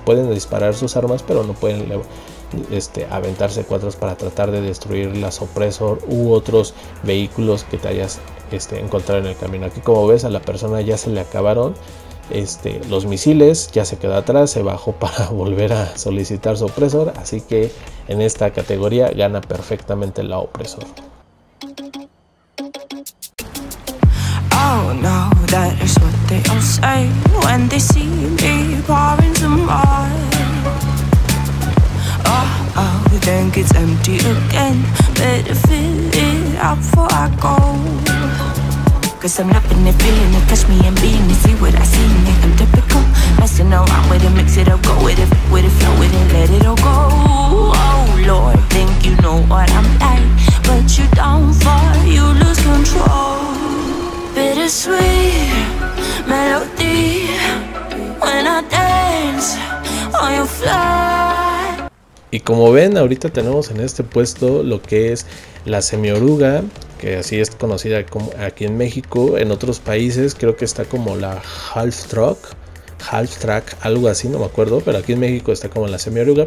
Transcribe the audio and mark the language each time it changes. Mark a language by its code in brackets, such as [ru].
[es] Pueden disparar sus armas, pero no pueden aventar C4s para tratar de destruir las opresor u otros vehículos que te hayas encontrado en el camino. Aquí, como ves, a la persona ya se le acabaron los misiles, ya se quedó atrás, se bajó para volver a solicitar su opresor, así que en esta categoría gana perfectamente la opresor. [en] Oh, no, that is what they all say when they see me pouring some more. Oh, oh, think it's empty again, better fill it up before I go. Cause I'm loving it, feeling it, touch me and being it, see what I see in it, I'm typical. Messing around with it, mix it up, go with it, flow with it, let it all go. Oh Lord, think you know what I'm like, but you don't fall, you lose control. Bittersweet melody, when I dance on your fly. [es] Y como ven, ahorita tenemos en este puesto lo que es la semioruga, que así es conocida como aquí en México. En otros países creo que está como la half track, algo así, no me acuerdo, pero aquí en México está como la semioruga.